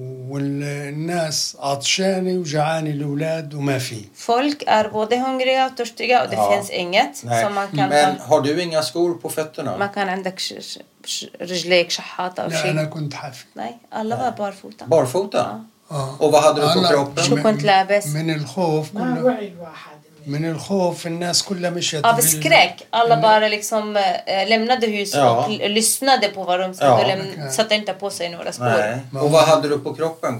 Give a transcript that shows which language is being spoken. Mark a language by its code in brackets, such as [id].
[ar] والناس عطشانة وجعانة الأولاد وما في. [sv] Folk är både hungriga och törstiga och det finns inget som man kan. Men har du inga skor på fötterna? Man kan [ar] عندك رجليك شحاطة أو شيء. لا أنا كنت حافي. [sv] Nej, alla var barfota. Barfota. آه. Och vad hade du på kroppen? [ar] شو كنت لابس؟ من الخوف. ما وعي الواحد. من الخوف الناس كلها مشيت. [sv] Av skräck. Alla bara liksom lämnade huset och lyssnade på vad de sa. De satte inte på sig några skor. Nej. Och vad hade du på kroppen?